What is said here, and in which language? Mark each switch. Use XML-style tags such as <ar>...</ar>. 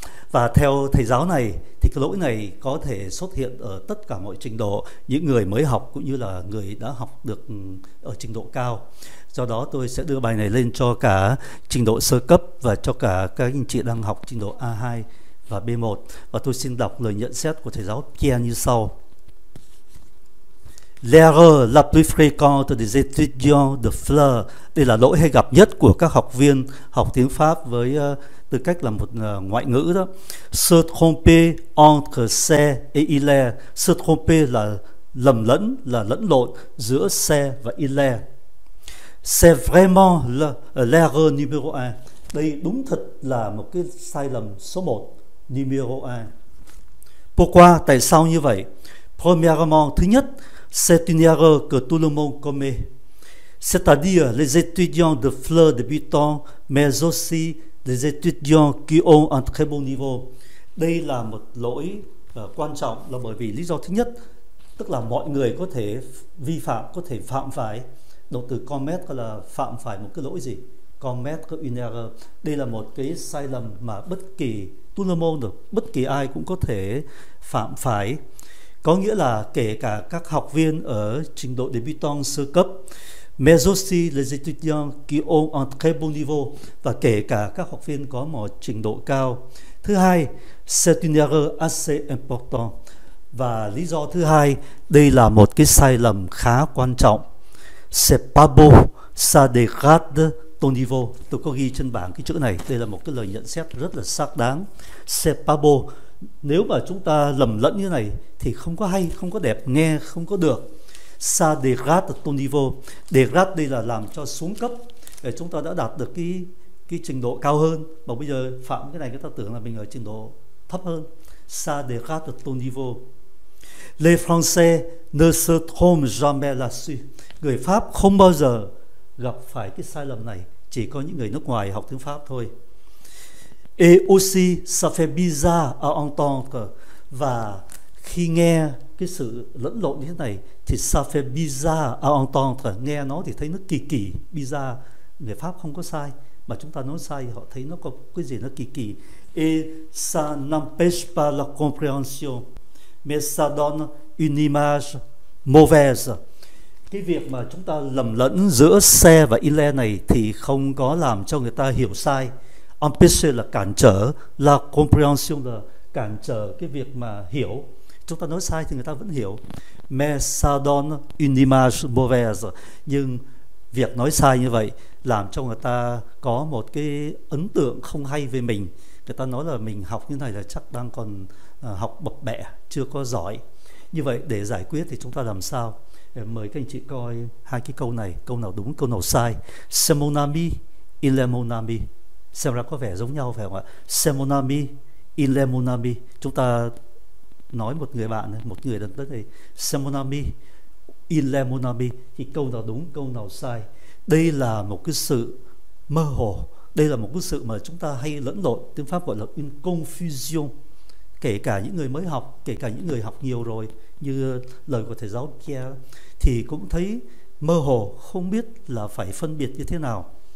<vi>Và theo thầy giáo này thì cái lỗi này có thể xuất hiện ở tất cả mọi trình độ, những người mới học cũng như là người đã học được ở trình độ cao. Do đó tôi sẽ đưa bài này lên cho cả trình độ sơ cấp và cho cả các anh chị đang học trình độ A2 và B1. Và tôi xin đọc lời nhận xét của thầy giáo Pierre như sau.</vi> <fr>L'erreur la plus fréquente des étudiants de Fleur.</fr> <vi>Đây là lỗi hay gặp nhất của các học viên học tiếng Pháp với tư cách là một ngoại ngữ đó.</vi> <fr>Se tromper entre se et il est.</fr> <vi>Se tromper là lầm lẫn, là lẫn lộn giữa se và il est.</vi> <fr>C'est vraiment l'erreur numéro 1.</fr> <vi>Đây đúng thật là một cái sai lầm số 1.</vi> <fr>Numéro 1. Pourquoi?</fr> <vi>Tại sao như vậy?</vi> <fr>Premièrement,</fr> <vi>thứ nhất,</vi> <fr>c'est une erreur que tout le monde commet. C'est-à-dire les étudiants de Fleur débutants, mais aussi les étudiants qui ont un très bon niveau.</fr> <vi>Đây là một lỗi quan trọng, là bởi vì lý do thứ nhất, tức là mọi người có thể vi phạm, có thể phạm phải. Động từ commet là phạm phải một cái lỗi gì?</vi> <fr>Commet une erreur.</fr> <vi>Đây là một cái sai lầm mà bất kỳ</vi> <fr>tout le monde,</fr> <vi>bất kỳ ai cũng có thể phạm phải. Có nghĩa là kể cả các học viên ở trình độ débutant sơ cấp,</vi> <fr>mais aussi les étudiants qui ont un très bon niveau,</fr> <vi>và kể cả các học viên có một trình độ cao. Thứ hai,</vi> <fr>c'est une erreur assez importante.</fr> <vi>Và lý do thứ hai, đây là một cái sai lầm khá quan trọng.</vi> <fr>C'est pas beau, ça dégrade ton niveau.</fr> <vi>Tôi có ghi trên bảng cái chữ này, đây là một cái lời nhận xét rất là xác đáng.</vi> <fr>C'est pas beau.</fr> <vi>Nếu mà chúng ta lầm lẫn như này thì không có hay, không có đẹp, nghe không có được.</vi> <fr>Ça dégrade ton niveau.</fr> <vi>Dégrade đây là làm cho xuống cấp. Để chúng ta đã đạt được cái trình độ cao hơn mà bây giờ phạm cái này, người ta tưởng là mình ở trình độ thấp hơn.</vi> <fr>Ça dégrade ton niveau. Les Français ne se trompent jamais là-dessus.</fr> <vi>Người Pháp không bao giờ gặp phải cái sai lầm này, chỉ có những người nước ngoài học tiếng Pháp thôi.</vi> <fr>Et aussi, ça fait bizarre à entendre.</fr> <vi>Và khi nghe cái sự lẫn lộn như thế này thì</vi> <fr>ça fait bizarre à entendre.</fr> <vi>Nghe nó thì thấy nó kỳ kỳ, bizarre. Người Pháp không có sai, mà chúng ta nói sai, họ thấy nó có cái gì nó kỳ kỳ.</vi> <fr>Et ça n'empêche pas la compréhension, mais ça donne une image mauvaise.</fr> <vi>Cái việc mà chúng ta lầm lẫn giữa se và ile này thì không có làm cho người ta hiểu sai. Empêche là cản trở,</vi> <fr>la compréhension</fr> <vi>là cản trở cái việc mà hiểu. Chúng ta nói sai thì người ta vẫn hiểu.</vi> <fr>Mais ça donne une image mauvaise.</fr> <vi>Nhưng việc nói sai như vậy làm cho người ta có một cái ấn tượng không hay về mình. Người ta nói là mình học như này là chắc đang còn học bập bẹ, chưa có giỏi. Như vậy để giải quyết thì chúng ta làm sao? Mời các anh chị coi hai cái câu này, câu nào đúng, câu nào sai.</vi> <fr>C'est mon ami, il est mon ami.</fr> <vi>Xem ra có vẻ giống nhau phải không ạ?</vi> <fr>C'est mon ami, il est mon ami.</fr> <vi>Chúng ta nói một người bạn, một người đàn tất này.</vi> <fr>C'est mon ami, il est mon ami.</fr> <vi>Thì câu nào đúng, câu nào sai? Đây là một cái sự mơ hồ. Đây là một cái sự mà chúng ta hay lẫn lộn. Tiếng Pháp gọi là</vi> <fr>une confusion.</fr> <vi>kể cả những người mới học, kể cả những người học nhiều rồi như lời của thầy giáo kia, thì cũng thấy mơ hồ, không biết là phải phân biệt như thế nào.</vi>